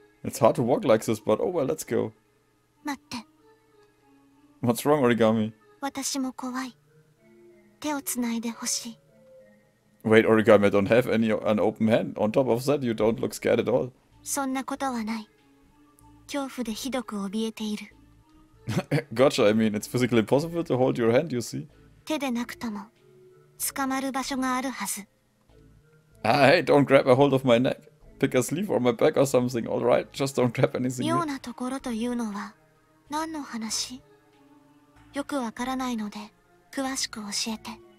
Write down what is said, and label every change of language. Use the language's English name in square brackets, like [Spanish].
[English] It's hard to walk like this, but oh well, let's go. [Japanese] 待って。 [English] What's wrong, Origami? [Japanese] 私も怖い。手をつないでほしい。 [English] Wait, Origami, I don't have any an open hand. On top of that, you don't look scared at all. [Japanese] そんなことはない。恐怖でひどく怯えている。 [English] Gotcha, I mean, it's physically possible to hold your hand, you see. [Japanese] 手でなくとも、捕まる場所があるはず。 [English] Ah, hey, don't grab a hold of my neck. Pick a sleeve or my back or something, alright? Just don't grab anything here. [Japanese] 妙なところというのは、何の話？よくわからないので、詳しく教えて。